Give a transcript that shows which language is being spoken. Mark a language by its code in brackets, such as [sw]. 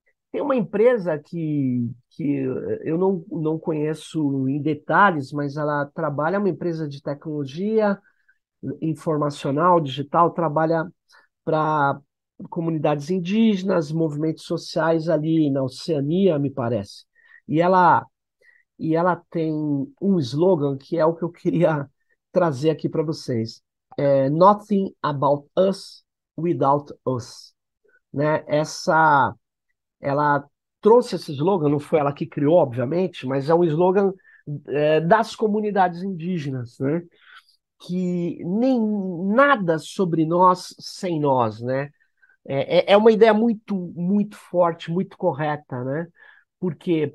[pt] Tem uma empresa que eu não conheço em detalhes, mas ela trabalha, é uma empresa de tecnologia informacional, digital, trabalha para comunidades indígenas, movimentos sociais ali na Oceania, me parece. E ela tem um slogan que é o que eu queria trazer aqui para vocês. [en] Nothing about us without us. [pt] Né? Ela trouxe esse slogan, não foi ela que criou, obviamente, mas é um slogan das comunidades indígenas, né? Que nem nada sobre nós sem nós, né? É uma ideia muito, muito forte, muito correta, né? Por quê?